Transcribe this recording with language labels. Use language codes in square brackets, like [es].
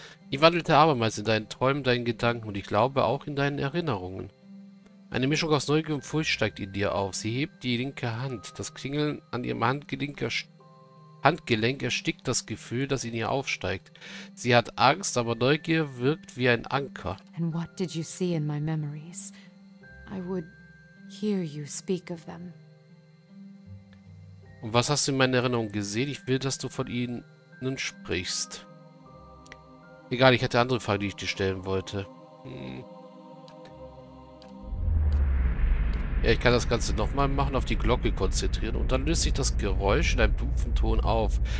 [de] Ich wandelte abermals in deinen Träumen, deinen Gedanken und ich glaube auch in deinen Erinnerungen. Eine Mischung aus Neugier und Furcht steigt in dir auf. Sie hebt die linke Hand. Das Klingeln an ihrem Handgelenk erstickt das Gefühl, das in ihr aufsteigt. Sie hat Angst, aber Neugier wirkt wie ein Anker. [en] And what did you see in my memories? I would hear you speak of them. [de] Und was hast du in meiner Erinnerung gesehen? Ich will, dass du von ihnen sprichst. Egal, ich hatte andere Fragen, die ich dir stellen wollte. Ja, ich kann das Ganze nochmal machen, auf die Glocke konzentrieren und dann löst sich das Geräusch in einem dumpfen Ton auf.